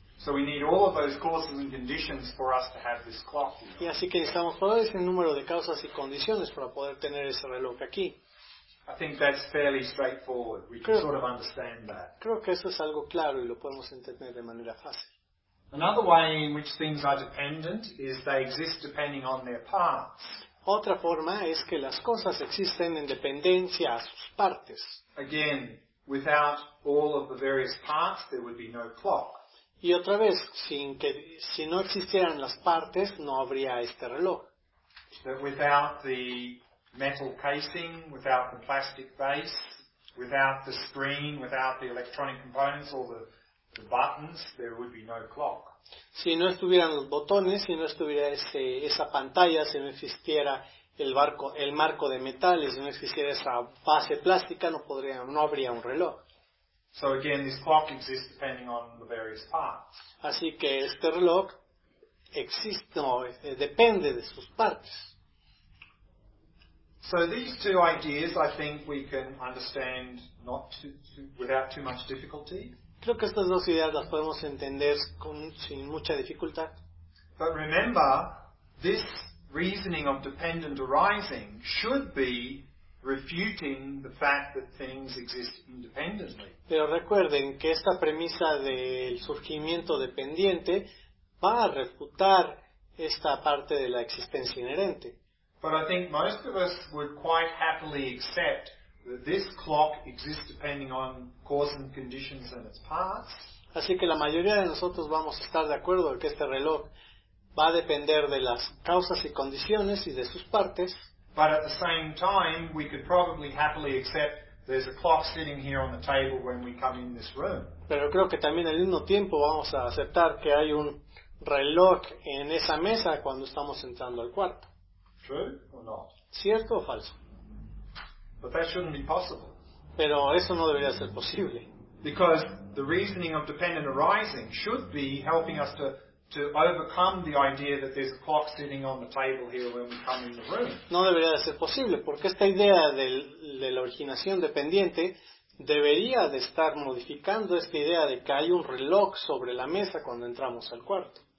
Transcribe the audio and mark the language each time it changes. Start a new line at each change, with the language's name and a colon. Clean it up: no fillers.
English: So we need all of those causes and conditions for us to have this clock here.
Spanish: Y así que necesitamos todo ese número de causas y condiciones para poder tener ese reloj aquí.
English: I think that's fairly straightforward. We can sort of understand that.
Spanish: Creo que eso es algo claro y lo podemos entender de manera fácil.
English: Another way in which things are dependent is they exist depending on their parts.
Spanish: Otra forma es que las cosas existen en dependencia a sus partes.
English: Again, without all of the various parts, there would be no clock.
Spanish: Y otra vez, si no existieran las partes, no habría este reloj.
English: That without the metal casing, without the plastic base, without the screen, without the electronic components, all the buttons, there would be no clock.
Spanish: Si no estuvieran los botones, si no estuviera esa pantalla, si no existiera el marco de metal, si no existiera esa base plástica, no habría un reloj.
English: So again, this clock exists depending on the various parts.
Spanish: Así que este reloj existe, depende de sus partes.
English: So these two ideas, I think, we can understand without too much difficulty.
Spanish: Creo que estas dos ideas las podemos entender sin mucha dificultad.
English: But remember, this reasoning of dependent arising should be refuting the fact that things exist independently.
Spanish: Pero recuerden que esta premisa del surgimiento dependiente va a refutar esta parte de la existencia inherente.
English: But I think most of us would quite happily accept that this clock exists depending on cause and conditions and its parts.
Spanish: Así que la mayoría de nosotros vamos a estar de acuerdo en que este reloj va a depender de las causas y condiciones y de sus partes.
English: But at the same time, we could probably happily accept there's a clock sitting here on the table when we come in this room.
Spanish: Pero creo que también al mismo tiempo vamos a aceptar que hay un reloj en esa mesa cuando estamos entrando al cuarto.
English: True or not?
Spanish: ¿Cierto o falso?
English: But that shouldn't be possible.
Spanish: Pero eso no debería ser posible.
English: Because the reasoning of dependent arising should be helping us to overcome the idea that there's a clock sitting on the table here when we come in the room.
Spanish: No debería de ser posible, porque esta idea de la originación dependiente debería de estar modificando esta idea de que hay un reloj sobre la mesa cuando entramos al cuarto.